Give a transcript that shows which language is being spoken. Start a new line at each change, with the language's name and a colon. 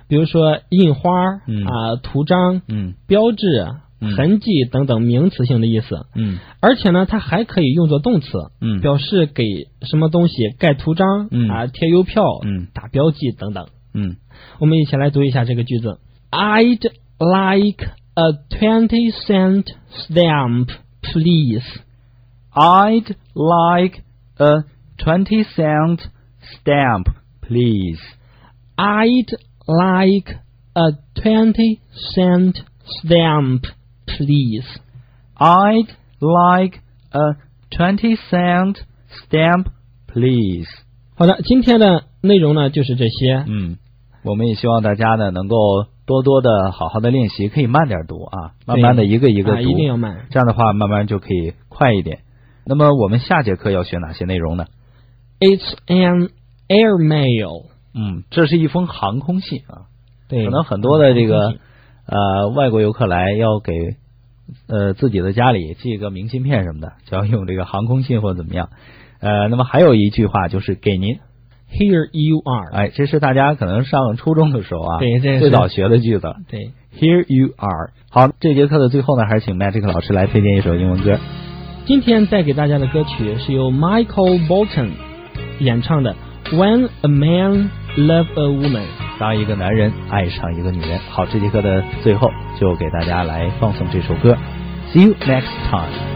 Chinese: 比如说印花，嗯，啊，图章，嗯，标志，嗯，痕迹等等名词性的意思，嗯，而且呢它还可以用作动词，嗯，表示给什么东西盖图章，嗯，啊，贴邮票，嗯，打标记等等。嗯，我们一起来读一下这个句子。
English: I'd like a 20-cent stamp, please. I'd like a 20-cent stamp, please. I'd like a 20-cent stamp. Please, I'd like a 20-cent stamp, please.
Chinese: 好的，今天的内容呢就是这些。嗯，我们也希望大家呢能够多多的好好的练习，可以慢点读啊，慢慢的一个一个读，啊，一定要慢。这样的话，慢慢就可以快一点。那么我们下节课要学哪些内容呢
English: ？It's an airmail.
Chinese: 嗯，这是一封航空信啊。对，可能很多的这个。外国游客来要给自己的家里寄一个明信片什么的，就要用这个航空信或者怎么样。那么还有一句话就是给您
English: ，Here you are。
Chinese: 哎，这是大家可能上初中的时候啊，对，这最早学的句子。对
English: ，Here you are。
Chinese: 好，这节课的最后呢，还是请 Magic 老师来推荐一首英文歌。今天带给大家的歌曲是由 Michael Bolton 演唱的《When a Man Loves a Woman》。当一个男人爱上一个女人，好，这节课的最后就给大家来放送这首歌 ，
English: See you next time，